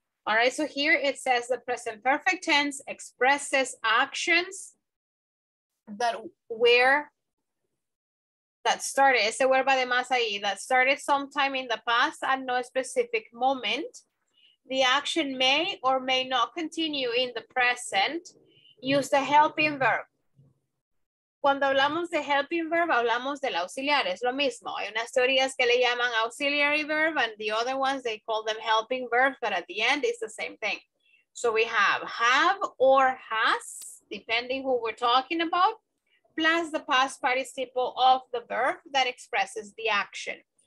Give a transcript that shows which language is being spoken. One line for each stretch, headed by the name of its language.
English: All right, so here it says the present perfect tense expresses actions that were that started,
Spanish: ese verbo además ahí,
English: that started sometime in the past at no specific moment. The action may or may not continue in the present. Use the helping verb.
Spanish: Cuando hablamos de helping verb, hablamos del auxiliar, es lo mismo. Hay unas teorías que le llaman
English: auxiliary verb and the other ones, they call them helping verbs, but at the end, it's the same thing. So we have or has, depending who we're talking about, plus the past participle of the verb that expresses the action.